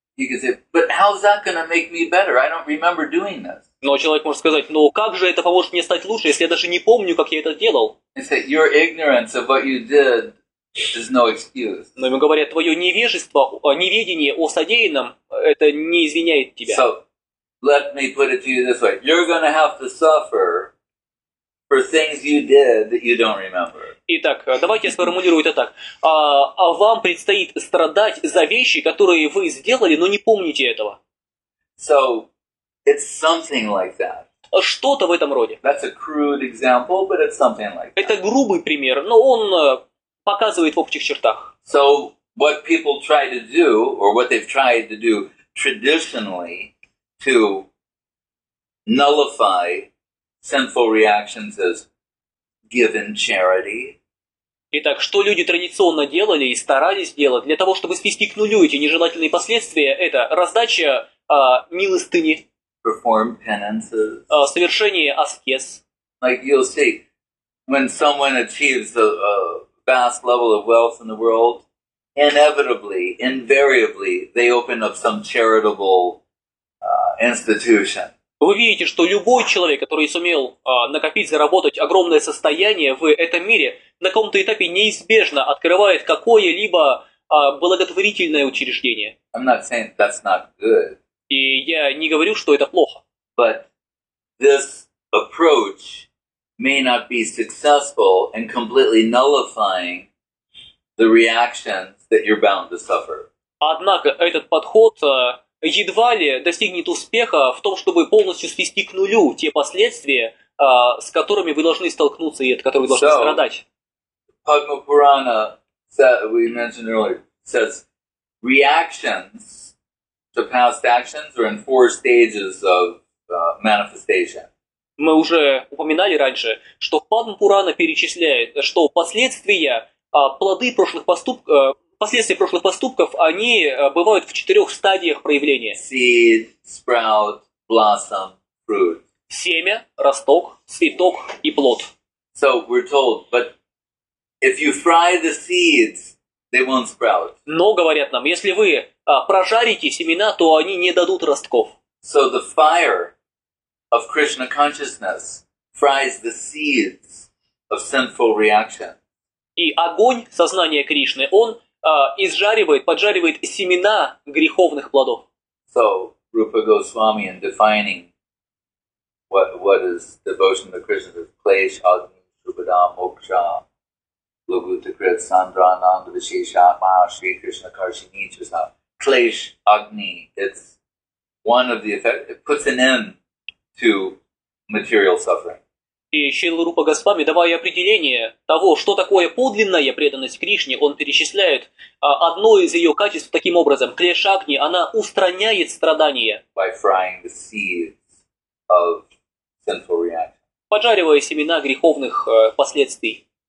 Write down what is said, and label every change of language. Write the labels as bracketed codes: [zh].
[en] You can say, but how's that gonna make me better? I don't remember doing this. [ru] Но человек может сказать, ну как же это поможет мне стать лучше, если я даже не помню, как я это делал? [en] He said, your ignorance of what you did is no excuse. [ru] Но ему говорят, твое невежество, неведение о содеянном, это не извиняет тебя. [en] So, let me put it to you this way. You're gonna have to suffer for things you did that you don't remember. [ru] Итак, давайте я сформулирую это так. А вам предстоит страдать за вещи, которые вы сделали, но не помните этого. [en] So, it's something like that. [ru] Что-то в этом роде. [en] That's a crude example, but it's something like that. [ru] Это грубый пример, но он показывает в общих чертах. [en] So, what people try to do, or what they've tried to do traditionally to nullify sinful reactions is given charity. [ru] Итак, что люди традиционно делали и старались делать для того, чтобы свести к нулю эти нежелательные последствия, это раздача милостыни, [en] perform penances, [ru] совершение аскез. [en] Like you'll see, when someone achieves a vast level of wealth in the world, inevitably, invariably, they open up some charitable institution. [ru] Вы видите, что любой человек, который сумел накопить, заработать огромное состояние в этом мире, на каком-то этапе неизбежно открывает какое-либо благотворительное учреждение. [en] I'm not saying that's not good. [ru] И я не говорю, что это плохо. [en] But this approach may not be successful in completely nullifying the reactions that you're bound to suffer. [ru] Однако этот подход едва ли достигнет успеха в том, чтобы полностью свести к нулю те последствия, с которыми вы должны столкнуться и от которых вы должны страдать. [en] Padma Purana, we mentioned earlier, says reactions to past actions are in four stages of manifestation. [ru] Мы уже упоминали раньше, что Падма Пурана перечисляет, что последствия, плоды прошлых поступков, последствия прошлых поступков, они бывают в четырех стадиях проявления. [en] Seed, sprout, blossom, fruit. [ru] Семя, росток, цветок и плод. [en] So we're told, but if you fry the seeds, they won't sprout. [ru] Но говорят нам, если вы прожарите семена, то они не дадут ростков. [en] So the fire of Krishna consciousness fries the seeds of sinful reaction. [ru] И огонь сознания Кришны, он изжаривает, поджаривает семена греховных плодов. [en] So, Rupa Goswami, in defining what is devotion to Krishna, is [sa] Klesh, Agni, Subhada, Moksha, Lugutta, Krit, Sandra, Ananda, Vishesha, Ma, Shri Krishna, Karshini, Chusha. [en] Klesh, Agni, it's one of the effects, it puts an end to material suffering. [ru] И Шрила Рупа Госвами, давая определение того, что такое подлинная преданность Кришне, он перечисляет одно из ее качеств таким образом. Клешагни, она устраняет страдания. [en] By frying the seeds of sinful reaction. [ru] Поджаривая семена греховных последствий.